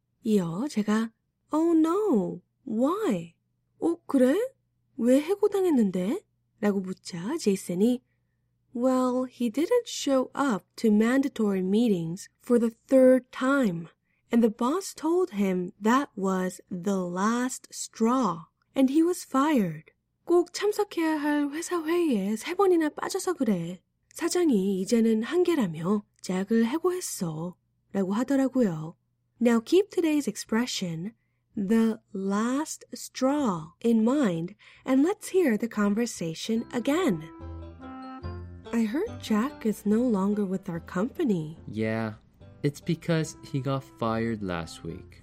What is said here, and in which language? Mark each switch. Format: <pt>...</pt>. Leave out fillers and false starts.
<ko>이어 제가</ko> <en>Oh no, why?</en> <ko>어, 그래? 왜 해고당했는데? 라고 묻자 제이슨이</ko> <en>Well, he didn't show up to mandatory meetings for the third time. And the boss told him that was the last straw. And he was fired.</en> <ko>꼭 참석해야 할 회사 회의에 세 번이나 빠져서 그래. 사장이 이제는 한계라며 잭을 해고했어. 라고 하더라고요.</ko> <en>Now keep today's expression, the last straw, in mind, and let's hear the conversation again. I heard Jack is no longer with our company. Yeah, it's because he got fired last week.</en>